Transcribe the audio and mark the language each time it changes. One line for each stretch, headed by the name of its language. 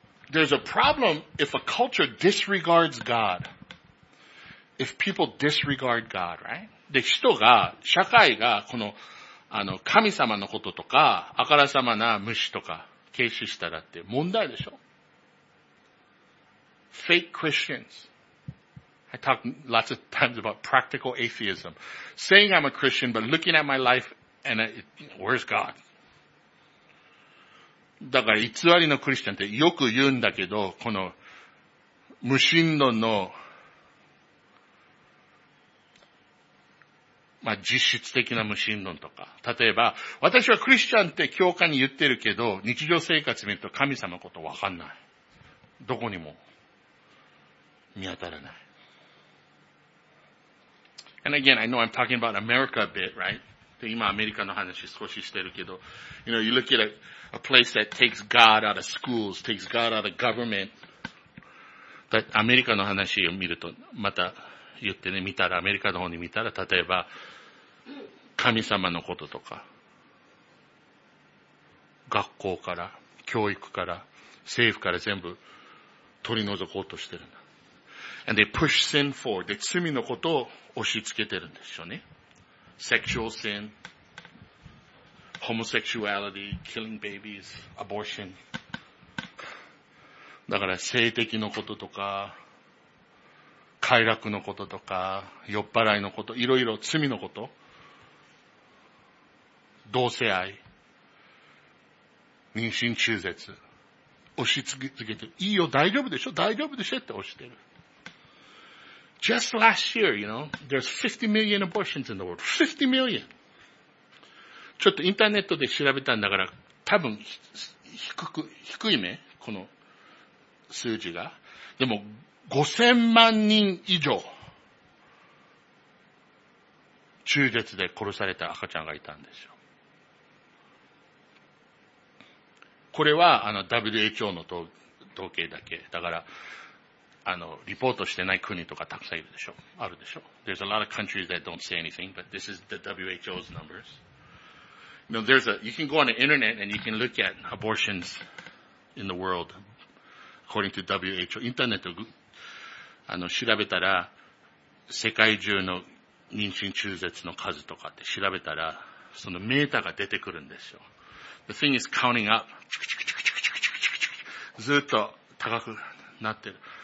English: There's a problem if a culture disregards God. If people disregard God, right?
Japanese: で、人が、社会が、この、神様のこととか、あからさまな虫とか、軽視したらって問題でしょ。
English: Fake Christians. I talk lots of times about practical atheism. Saying I'm a Christian, but looking at my life, and where's God?
Japanese: だから偽りのクリスチャンってよく言うんだけど、この無神論の、まあ、実質的な無神論とか、例えば、私はクリスチャンって教会に言ってるけど、日常生活見ると神様のことわかんない。どこにも見当たらない。
English: And again, I know I'm talking about America a bit, right?
Japanese: 今アメリカの話少ししてるけど、
English: you know, you look at a place that takes God out of schools, takes God out of government. That
Japanese: アメリカの話を見ると、また言ってね、見たら、アメリカの方に見たら、例えば、神様のこととか、学校から、教育から、政府から全部取り除こうとしてるんだ。
English: And they push sin forward.
Japanese: で、罪のことを押し付けてるんでしょうね。
English: Sexual sin, homosexuality, killing babies, abortion.
Japanese: だから性的のこととか、快楽のこととか、酔っ払いのこと、いろいろ罪のこと、同性愛、妊娠中絶、押し付けて、いいよ、大丈夫でしょ、大丈夫でしょって押してる。
English: Just last year, you know, there's 50 million abortions in the world. 50 million!
Japanese: ちょっとインターネットで調べたんだから、多分低いね、この数字が。でも、5000万人以上、中絶で殺された赤ちゃんがいたんですよ。これは、WHO の統計だけ。だから、リポートしてない国とかたくさんいるでしょ。あるでしょ。
English: There's a lot of countries that don't say anything, but this is the WHO's numbers. You know, you can go on the internet and you can look at abortions in the world, according to WHO.
Japanese: インターネット、調べたら、世界中の妊娠中絶の数とかって調べたら、そのメーターが出てくるんですよ。
English: The thing is counting up.
Japanese: ずっと高くなってる。